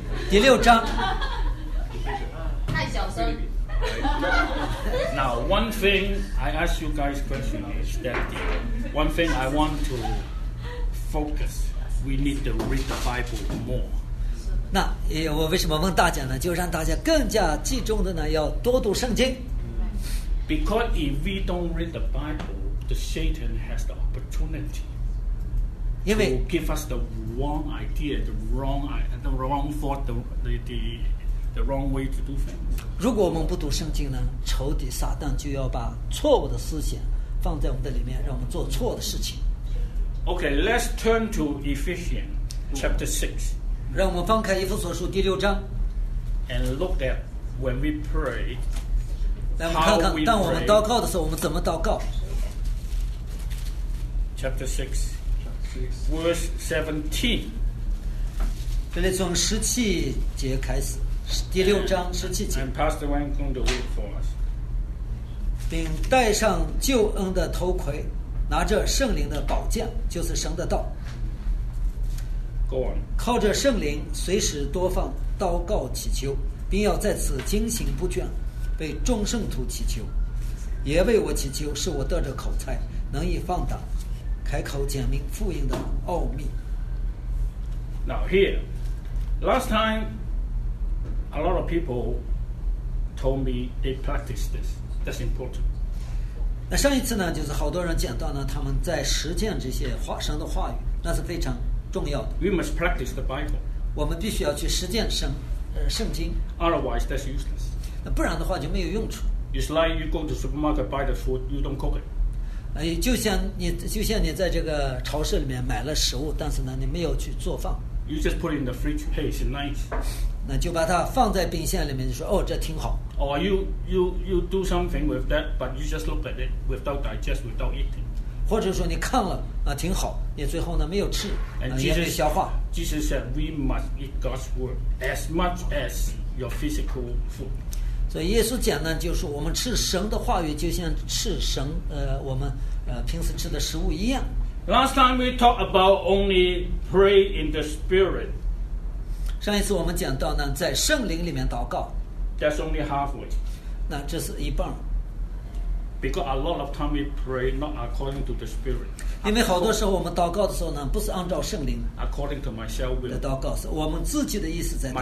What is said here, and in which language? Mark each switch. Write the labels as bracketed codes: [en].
[zh] 第六章。太小声。 [en] Now, one thing I ask you guys question is that one thing I want to focus, we need to read the Bible more. [zh] 那我为什么问大家呢？就让大家更加集中的呢，要多读圣经。 [en] Because if we don't read the Bible, the Satan has the opportunity to give us the wrong idea, the wrong thought, the wrong way to do things. [zh] 如果我们不读圣经呢，仇敌撒旦就要把错误的思想放在我们的里面，让我们做错的事情。 [en] Okay, let's turn to Ephesians chapter 6. [zh] 让我们翻开以弗所书第六章。 [en] And look at when we pray. [zh] 来，我们看看，当我们祷告的时候，我们怎么祷告 [en] ？Chapter six, verse 17. [zh] 这里从十七节开始，第六章十七节。 [en] And Pastor Wang going to read for us. [zh] 并戴上救恩的头盔，拿着圣灵的宝剑，就是神的道。 [en] Go on. [zh] 靠着圣灵，随时多放祷告祈求，并要在此警醒不倦。为众圣徒祈求，也为我祈求，是我得着口才，能以放胆开口讲明福音的奥秘。 [en] Now here, last time, a lot of people told me they practice this. That's important. [zh] 那上一次呢，就是好多人讲到呢，他们在实践这些话神的话语，那是非常重要的。 [en] We must practice the Bible. [zh] 我们必须要去实践圣经。 [en] Otherwise, that's useless. [zh] 那不然的话就没有用处。 [en] It's like you go to supermarket buy the food, you don't cook it. [zh] 就像你在这个超市里面买了食物，但是呢，你没有去做饭。 [en] You just put it in the fridge, hey, it's nice. [zh] 那就把它放在冰箱里面，就说哦，这挺好。 [en] Or you do something with that, but you just look at it without digest, without eating. [zh] 或者说你看了挺好，你最后呢没有吃，也没有消化。 [en] Jesus said, we must eat God's word as much as your physical food. [zh] 所以耶稣讲呢，就是我们吃神的话语，就像吃神我们平时吃的食物一样。 [en] Last time we talked about only pray in the spirit. [zh] 上一次我们讲到呢，在圣灵里面祷告。 [en] That's only halfway. [zh] 那这是一半。 [en] Because a lot of time we pray not according to the spirit. [zh] 因为好多时候我们祷告的时候呢，不是按照圣灵。 [en] According to myself will. [zh] 的祷告是我们自己的意思在祷告。